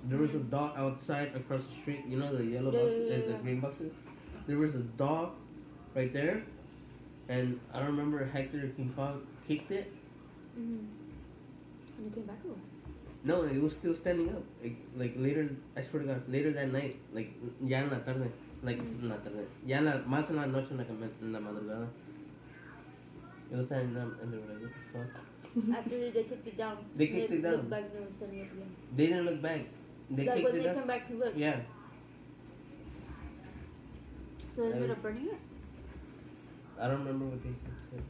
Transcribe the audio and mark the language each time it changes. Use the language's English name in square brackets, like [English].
[English] There was a doll outside across the street. You know the yellow boxes, the green boxes? There was a doll right there. And I don't remember Hector King Kong kicked it. Mm-hmm. And it came back home. No, it was still standing up. Later that night. Like, [Spanish] ya en la tarde. Ya en la, más en la noche, en la madrugada. [English] It was standing up, and they were like, what the fuck? After they kicked it down. They kicked it down. They looked back, and they were standing up again. They didn't look back. They like, kicked it when they come back to look. Yeah. So they ended up burning it? I don't remember what they said.